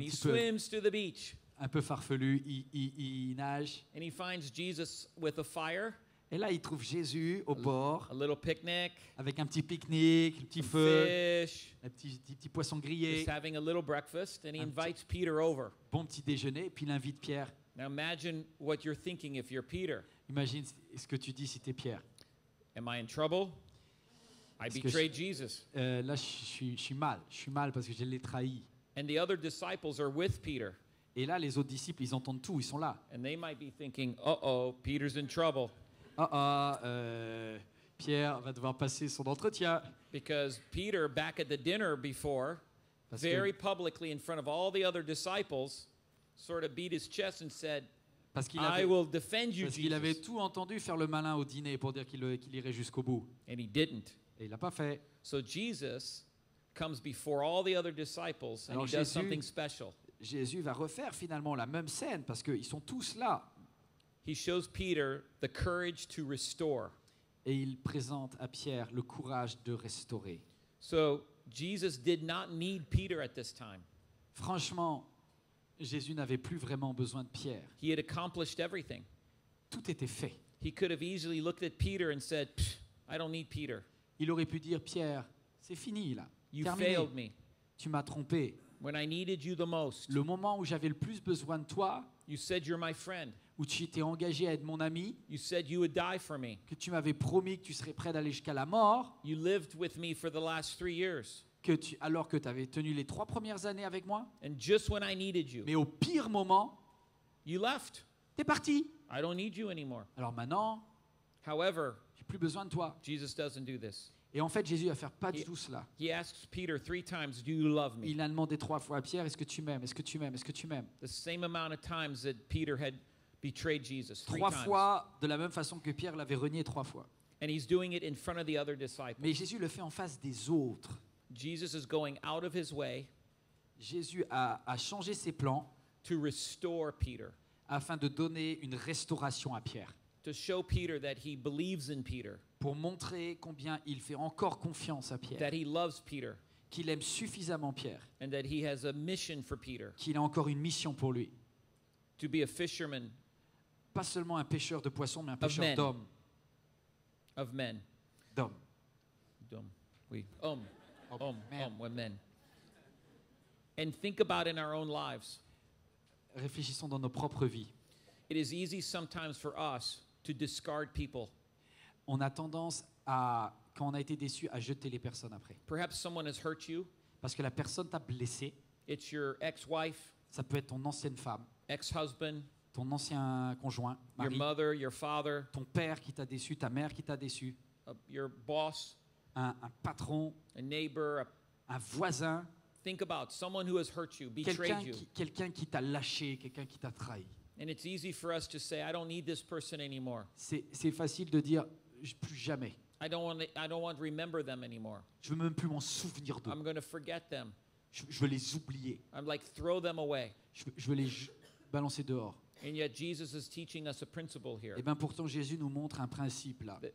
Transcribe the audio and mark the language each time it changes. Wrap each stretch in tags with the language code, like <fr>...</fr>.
<en>he swims to the beach.</en> <fr>Un peu farfelu, il nage.</fr> <en>And he finds Jesus with a fire.</en> <fr>Et là, il trouve Jésus au bord.</fr> <en>A little picnic.</en> <fr>Avec un petit pique-nique, un petit feu.</fr> <en>Fish.</en> <fr>Un petit poisson grillé.</fr> <en>He's having a little breakfast, and he invites Peter over.</en> <fr>Bon petit déjeuner, puis il invite Pierre.</fr> <en>Now imagine what you're thinking if you're Peter.</en> <fr>Imagine ce que tu dis si t'es Pierre.</fr> <en>Am I in trouble? I betrayed Jesus.</en> <fr>Là, je suis mal parce que je l'ai trahi.</fr> <en>And the other disciples are with Peter.</en> <fr>Et là, les autres disciples, ils entendent tout, ils sont là.</fr> <en>And they might be thinking, "Uh-oh, Peter's in trouble."</en> <fr>Pierre va devoir passer son entretien.</fr> <en>Because Peter, back at the dinner before, very publicly in front of all the other disciples, sort of beat his chest and said,</en> <fr>parce qu'il avait,</fr> <en>"I will defend you,</en> <fr>parce</fr> <en>Jesus."</en> <fr>Qu'il avait tout entendu faire le malin au dîner pour dire qu'il irait jusqu'au bout.</fr> <en>And he didn't.</en> <fr>Et il l'a pas fait.</fr> <en>So Jesus comes before all the other disciples and</en> <fr>Alors</fr> <en>he does something special.</en> <fr>Jésus va refaire finalement la même scène parce qu'ils sont tous là.</fr> <en>He shows Peter the courage to restore.</en> <fr>Et il présente à Pierre le courage de restaurer.</fr> <en>So, Jesus did not need Peter at this time.</en> <fr>Franchement, Jésus n'avait plus vraiment besoin de Pierre.</fr> <en>He had accomplished everything.</en> <fr>Tout était fait.</fr> <en>He could have easily looked at Peter and said, "I don't need Peter."</en> <fr>Il aurait pu dire, Pierre, c'est fini là.</fr> <en>You</en> <fr>Terminé.</fr> <en>Failed me.</en> <fr>Tu m'as trompé.</fr> <en>When I needed you the most,</en> <fr>le moment où j'avais le plus besoin de toi,</fr> <en>you said you're my friend,</en> <fr>où tu t'es engagé à être mon ami,</fr> <en>you said you would die for me,</en> <fr>que tu m'avais promis que tu serais prêt d'aller jusqu'à la mort,</fr> <en>you lived with me for the last 3 years,</en> <fr>que tu, alors que tu avais tenu les 3 premières années avec moi,</fr> <en>and just when I needed you,</en> <fr>mais au pire moment,</fr> <en>you left,</en> <fr>t'es parti,</fr> <en>I don't need you anymore.</en> <fr>Alors maintenant,</fr> <en>however,</en> <fr>j'ai plus besoin de toi.</fr> <en>Jesus doesn't do this.</en> <fr>Et en fait, Jésus va faire pas du tout cela.</fr> <en>He asks Peter 3 times, "Do you love me?"</en> <fr>Il a demandé 3 fois à Pierre, est-ce que tu m'aimes?</fr> <en>The same amount of times that Peter had betrayed Jesus.</en> <fr>3 fois, de la même façon que Pierre l'avait renié 3 fois.</fr> <en>And he's doing it in front of the other disciples.</en> <fr>Mais Jésus le fait en face des autres.</fr> <en>Jesus is going out of his way.</en> <fr>Jésus a changé ses plans.</fr> <en>To restore Peter.</en> <fr>Afin de donner une restauration à Pierre.</fr> <en>To show Peter that he believes in Peter.</en> <fr>Pour montrer combien il fait encore confiance à Pierre.</fr> <en>That he loves Peter.</en> <fr>Qu'il aime suffisamment Pierre.</fr> <en>And that he has a mission for Peter.</en> <fr>Qu'il a encore une mission pour lui.</fr> <en>To be a fisherman.</en> <fr>Pas seulement un pêcheur de poissons, mais un pêcheur d'hommes.</fr> <en>Of men.</en> <fr>D'hommes. D'hommes. Oui. Hommes. Hommes. Hommes.</fr> <en>Men. And think about in our own lives.</en> <fr>Réfléchissons dans nos propres vies.</fr> <en>It is easy sometimes for us to discard people.</en> <fr>on a tendance à, quand on a été déçu, à jeter les personnes après.</fr> <en>Perhaps someone has hurt you.</en> <fr>Parce que la personne t'a blessé.</fr> <en>It's your ex-wife.</en> <fr>Ça peut être ton ancienne femme.</fr> <en>Ex-husband.</en> <fr>Ton ancien conjoint, mari.</fr> <en>Your mother, your father.</en> <fr>Ton père qui t'a déçu, ta mère qui t'a déçu.</fr> <en>Your boss.</en> <fr>Un patron.</fr> <en>A neighbor.</en> <fr>Un voisin.</fr> <en>Think about someone who has hurt you, betrayed you.</en> <fr>Quelqu'un qui t'a lâché, quelqu'un qui t'a trahi.</fr> <en>And it's easy for us to say, I don't need this person anymore.</en> <fr>C'est facile de dire, plus jamais.</fr> <en>I don't want to remember them anymore.</en> <fr>Je veux même plus m'en souvenir d'eux.</fr> <en>I'm going to forget them.</en> <fr>Je veux les oublier.</fr> <en>I'm like, throw them away.</en> <fr>Je veux les balancer dehors.</fr> <en>And yet Jesus is teaching us a principle here.</en> <fr>Et bien pourtant Jésus nous montre un principe là.</fr>